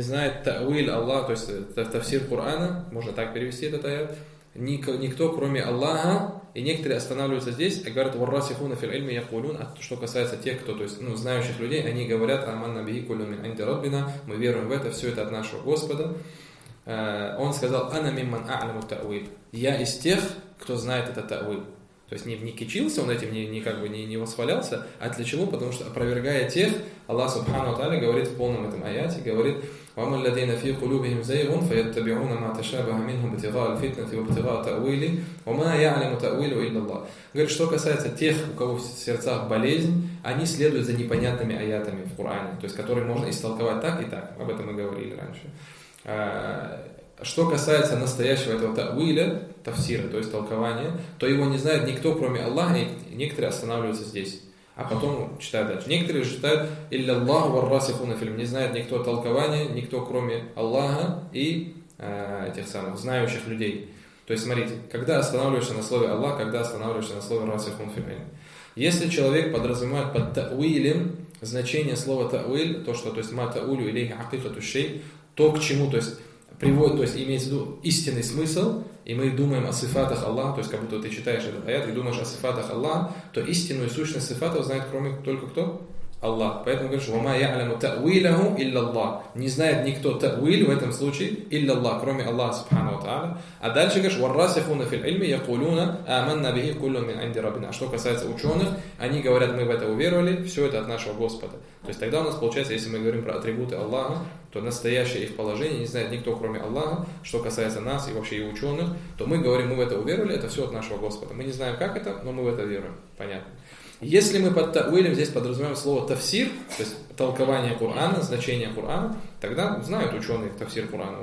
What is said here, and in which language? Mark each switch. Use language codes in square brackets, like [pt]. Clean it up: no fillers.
[ru] И не знает тауиль Аллах, то есть тафсир Курана, можно так перевести этот аят, никто, кроме Аллаха, и некоторые останавливаются здесь, и говорят, [ar] «Варрасихуна фил ильми якулюн», [ru] а что касается тех, кто, то есть, ну, знающих людей, они говорят, [ar] «Аманна бихи кулюн мин анди Раббина», [ru] мы верим в это, все это от нашего Господа. Он сказал, [ar] «Ана мимман а'ламу та'уиль», [ru] «Я из тех, кто знает этот та'уиль». То есть не кичился он этим, не восхвалялся, а для чего? Потому что опровергая тех, Аллах Субхану Тааля говорит в полном этом аяте, говорит, [ar] وَمَا الَّذِينَ فِي قُلُوبِهِمْ زَيْغٌ فَيَتَّبِعُونَ مَا تَشَابَهَ مِنْهُمْ بِتِغَاءَ الْفِتْنَةِ وَبِتِغَاءَ تَأْوِيلِ وَمَا يَعْلَمُ تَأْوِيلُ إِلَّا اللَّهُ. [ru] Говорит, что касается тех, у кого в сердцах болезнь, они следуют за непонятными аятами в Коране, то есть которые можно истолковать так и так, об этом мы говорили раньше. Что касается настоящего этого тауиля, тафсира, то есть толкования, то его не знает никто, кроме Аллаха, и некоторые останавливаются здесь. А потом читают дальше. Некоторые считают, [ar] «Илля Аллаху варрасихуна фильм». [ru] Не знает никто толкования, никто, кроме Аллаха и этих самых знающих людей. То есть, смотрите, когда останавливаешься на слове «Аллах», когда останавливаешься на слове «расихун фильм». Если человек подразумевает под тауилем значение слова «тауиль», то, что, то есть, [ar] «ма таулю илейхи акитату шей», [ru] то, к чему, то есть, приводит, то есть имеет в виду истинный смысл, и мы думаем о сифатах Аллаха, то есть как будто ты читаешь этот аят и думаешь о сифатах Аллаха, то истинную сущность сифатов знает кроме только кто? Аллах. Поэтому говоришь, [ar] وَمَا يَعْلَمُ تَأْوِيلَهُ إِلَّا اللَّهُ. [ru] Не знает никто тауиль в этом случае, [ar] إِلَّا اللَّهُ, [ru] кроме Аллаха Субхану Та'аля. А дальше говоришь, [ar] وَالرَّاسِخُونَ فِي الْعِلْمِ يَقُولُونَ آمَنَّا بِهِ كُلٌّ مِنْ عِنْدِ رَبِّنَا. [ru] А что касается ученых, они говорят, мы в это уверовали, все это от нашего Господа. То есть тогда у нас получается, если мы говорим про атрибуты Аллаха, то настоящее их положение не знает никто, кроме Аллаха, что касается нас и вообще и ученых, то мы говорим, мы в это уверовали, это все от нашего Господа. Мы не знаем, как это, но мы в это веруем. Понятно. Если мы под тауилем здесь подразумеваем слово тафсир, то есть толкование Курана, значение Курана, тогда знают ученые тафсир Курана.